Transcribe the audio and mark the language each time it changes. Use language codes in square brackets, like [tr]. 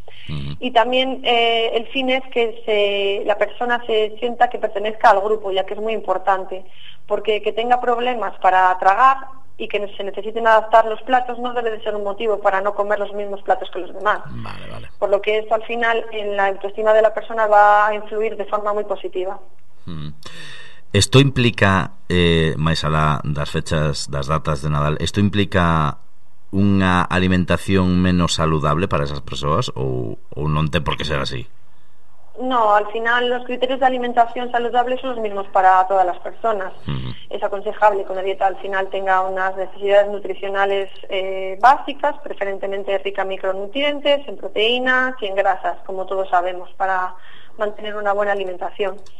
[es] Y también el fin es que la persona se sienta que pertenezca al grupo, ya que es muy importante, porque que tenga problemas para tragar y que se necesiten adaptar los platos no debe de ser un motivo para no comer los mismos platos que los demás. Vale. Por lo que esto al final en la autoestima de la persona va a influir de forma muy positiva. [gl] Esto implica, máis alá das fechas, das datas de Nadal, esto implica unha alimentación menos saludable para esas persoas ou non ten por que ser así? [es] No, al final los criterios de alimentación saludable son los mismos para todas las personas. Es aconsejable que una dieta al final tenga unas necesidades nutricionales básicas, preferentemente rica en micronutrientes, en proteínas y en grasas, como todos sabemos, para mantener una buena alimentación.